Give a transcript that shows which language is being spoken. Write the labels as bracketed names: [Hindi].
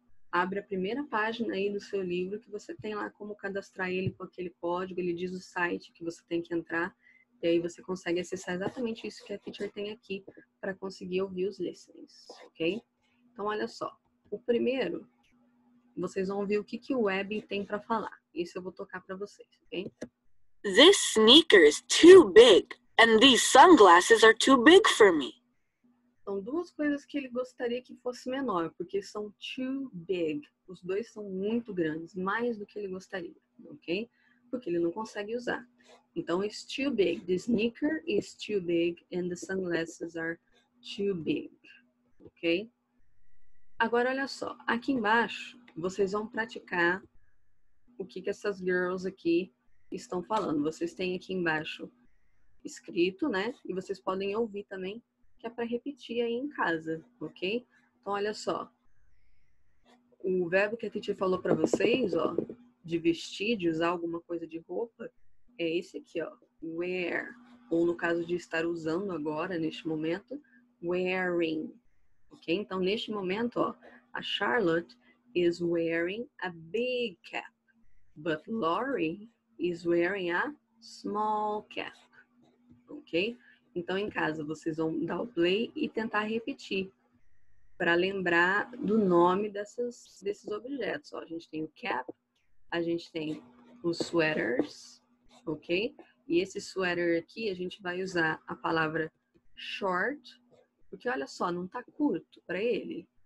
[Portuguese] abre a primeira página aí do seu livro, que você tem lá como cadastrar ele com aquele código, ele diz o site que você tem que entrar, e aí você consegue acessar exatamente isso que a teacher tem aqui para conseguir ouvir os listenings, ok? Então, olha só. O primeiro, vocês vão ouvir o que, que o web tem para falar. Isso eu vou tocar para vocês, ok? [English] This sneaker is too big, and these sunglasses are too big for me. [Portuguese] São duas coisas que ele gostaria que fosse menor, porque são [English] too big. [Portuguese] Os dois são muito grandes, mais do que ele gostaria, ok? Porque ele não consegue usar. [English] Então, it's too big. The sneaker is too big and the sunglasses are too big, ok? [Portuguese] Agora, olha só. Aqui embaixo, vocês vão praticar o que, que essas girls aqui estão falando. Vocês têm aqui embaixo escrito, né? E vocês podem ouvir também. Que é para repetir aí em casa, ok? Então, olha só. O verbo que a Titi falou para vocês, ó, de vestir, de usar alguma coisa de roupa, é esse aqui, ó, wear. Ou no caso de estar usando agora, neste momento, wearing. Ok? Então, neste momento, ó, a Charlotte [English] is wearing a big cap. But Lori is wearing a small cap. Ok? [Portuguese] Então, em casa, vocês vão dar o play e tentar repetir para lembrar do nome desses objetos. Ó, a gente tem o cap, a gente tem os sweaters, ok? E esse sweater aqui, a gente vai usar a palavra short, porque olha só, não tá curto para ele.